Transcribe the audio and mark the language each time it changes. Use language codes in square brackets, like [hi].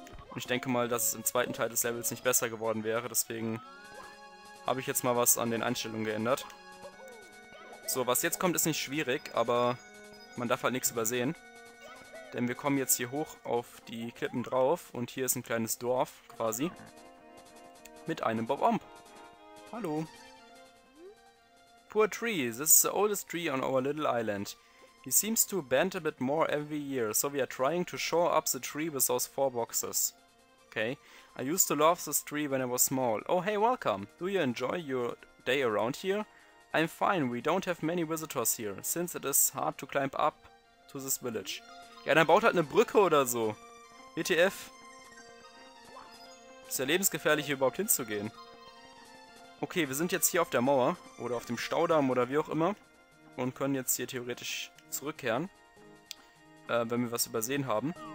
[de] Und ich denke mal, dass es im zweiten Teil des Levels nicht besser geworden wäre, deswegen habe ich jetzt mal was an den Einstellungen geändert. So, was jetzt kommt, ist nicht schwierig, aber man darf halt nichts übersehen. Denn wir kommen jetzt hier hoch auf die Klippen drauf und hier ist ein kleines Dorf, quasi, mit einem Bob-Omb. Hallo. [en] Poor tree, this is the oldest tree on our little island. He seems to bend a bit more every year, so we are trying to shore up the tree with those four boxes. Okay. I used to love this tree when I was small. Oh, hey, welcome. Do you enjoy your day around here? I'm fine, we don't have many visitors here, since it is hard to climb up to this village. [de] Ja, dann baut halt eine Brücke oder so. WTF. Ist ja lebensgefährlich, hier überhaupt hinzugehen. Okay, wir sind jetzt hier auf der Mauer. Oder auf dem Staudamm oder wie auch immer. Und können jetzt hier theoretisch zurückkehren. Wenn wir was übersehen haben.